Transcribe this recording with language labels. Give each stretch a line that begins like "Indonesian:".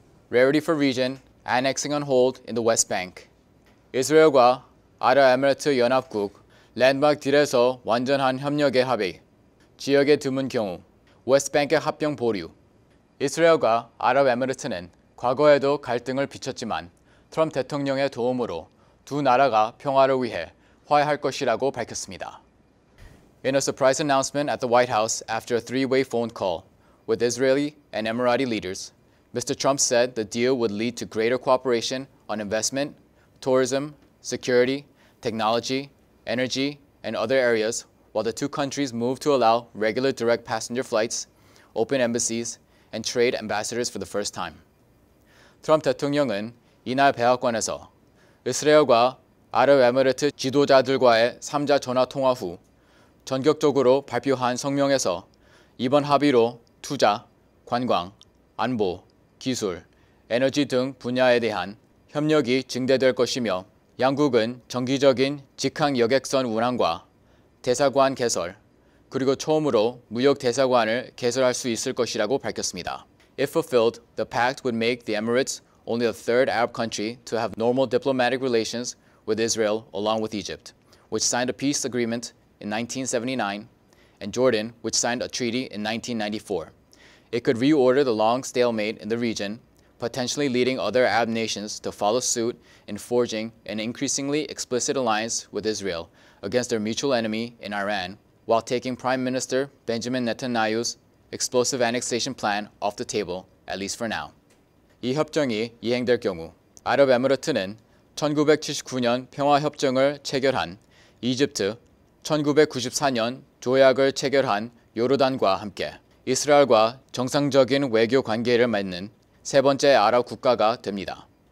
English: Rarity for region, annexing on hold in the West Bank.
Korean: 이스라엘과 아랍에미리트 연합국, 랜드마크 딜에서 완전한 협력의 합의. 지역에 드문 경우, 웨스트뱅크의 합병 보류. 이스라엘과 아랍에미리트는 과거에도 갈등을 빚었지만 트럼프 대통령의 도움으로 두 나라가 평화를 위해 화해할 것이라고 밝혔습니다.
English: In a surprise announcement at the White House after a three-way phone call with Israeli and Emirati leaders, Mr. Trump said the deal would lead to greater cooperation on investment, tourism, security, technology, energy, and other areas while the two countries move to allow regular direct passenger flights, open embassies, and trade ambassadors for the first time.
Korean: 트럼프 대통령은 이날 백악관에서 이스라엘과 아랍에미리트 지도자들과의 3자 전화 통화 후 전격적으로 발표한 성명에서 이번 합의로 투자, 관광, 안보, 기술, 에너지 등 분야에 대한 협력이 증대될 것이며 양국은 정기적인 직항 여객선 운항과 대사관 개설, 그리고 처음으로 무역 대사관을 개설할 수 있을 것이라고 밝혔습니다.
English: If fulfilled, the pact would make the Emirates only the third Arab country to have normal diplomatic relations with Israel along with Egypt, which signed a peace agreement in 1979, and Jordan, which signed a treaty in 1994. It could reorder the long stalemate in the region, potentially leading other Arab nations to follow suit in forging an increasingly explicit alliance with Israel against their mutual enemy in Iran, while taking Prime Minister Benjamin Netanyahu's explosive annexation plan off the table, at least for now.
Korean: 이 협정이 이행될 경우 아랍에미리트는 1979년 평화협정을 체결한 이집트, 1994년 조약을 체결한 요르단과 함께 이스라엘과 정상적인 외교 관계를 맺는 세 번째 아랍 국가가 됩니다.